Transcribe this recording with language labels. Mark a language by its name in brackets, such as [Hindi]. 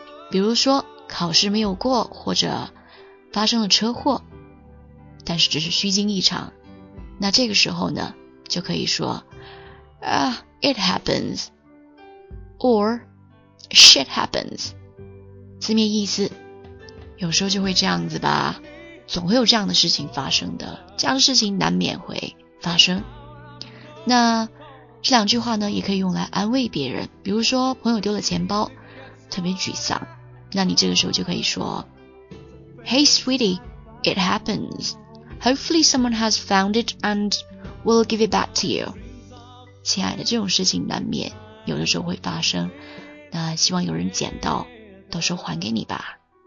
[Chinese] 比如说考试没有过，或者发生了车祸但是只是虚惊一场，那这个时候呢就可以说 [English] it happens or shit happens, [Chinese] 字面意思有时候就会这样子吧，总会有这样的事情发生的，这样的事情难免会发生。那这两句话呢也可以用来安慰别人，比如说朋友丢了钱包特别沮丧，那你这个时候就可以说 [English] Hey sweetie, it happens. Hopefully someone has found it and will give it back to you. [Chinese] 亲爱的，这种事情难免有的时候会发生，那希望有人捡到到时候还给你吧。